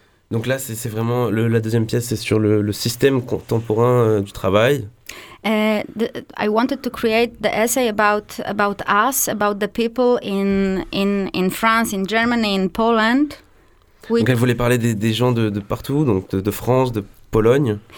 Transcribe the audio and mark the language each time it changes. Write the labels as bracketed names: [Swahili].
[French] Donc là, c'est vraiment la deuxième pièce, c'est sur le système contemporain du travail. [English] I wanted to create the essay about us, about the people in France, in Germany, in Poland. [French] Donc elle voulait parler des gens de partout, donc de France, de Pologne.